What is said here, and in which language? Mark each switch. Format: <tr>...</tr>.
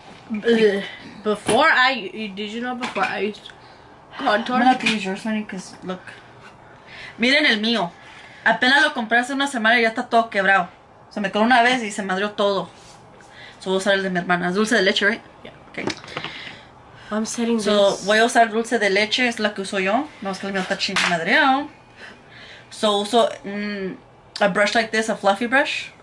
<en>Before I, did you know before I used contour? I'm gonna have to use yours, honey, because look.</en> <es>Miren el mío. Apenas lo compré hace una semana y ya está todo quebrado. Se me quedó una vez y se madrió todo. So voy a usar el de mi hermana. Es dulce de leche, right?</es> <en>Yeah. Okay. I'm setting so this.</en> <es>Voy a usar dulce de leche, es la que uso yo. Vamos a que el mío está chingadreado.</es> <en>So uso a brush like this, a fluffy brush.</en>